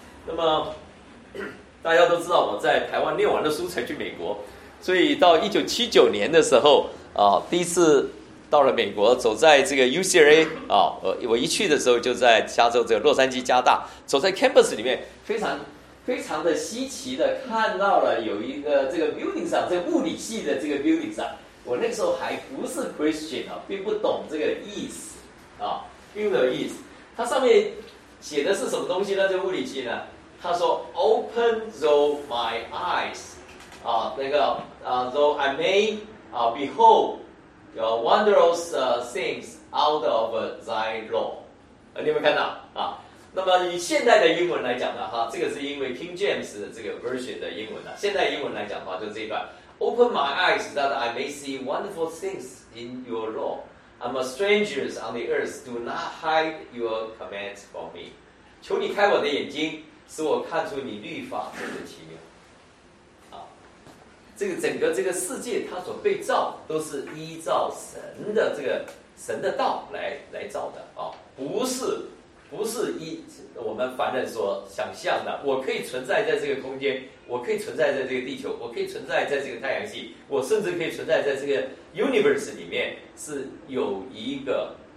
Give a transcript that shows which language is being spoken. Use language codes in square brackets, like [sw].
[zh] 那么大家都知道我在台湾念完了书才去美国，所以到1979年的时候啊，第一次到了美国，走在这个 UCLA 啊，我一去的时候就在加州这个洛杉矶加大，走在 campus 里面非常的稀奇的看到了有一个这个 building 上，这个物理系的这个 building 上，我那个时候还不是 Christian 啊，并不懂这个意思啊，并不懂意思。它上面写的是什么东西呢？这个物理系呢？他说 [en] ，Open though my eyes， 啊，那个啊 ，though I may 啊 behold your wondrous things out of thy law， 啊， [zh] 你有没有看到啊？那么以现在的英文来讲的哈，这个是因为 King James 的这个 version 的英文的。现在英文来讲的话，就这一段 [en] ：Open my eyes that I may see wonderful things in your law. I'm a stranger on the earth. Do not hide your commands from me. [zh] 求你开我的眼睛，使我看出你律法中的奇妙。啊，这个整个这个世界它所被造，都是依照神的这个神的道来造的啊，不是一我们凡人所想象的，我可以存在在这个空间，我可以存在在这个地球，我可以存在在这个太阳系，我甚至可以存在在这个 universe 里面，是有一个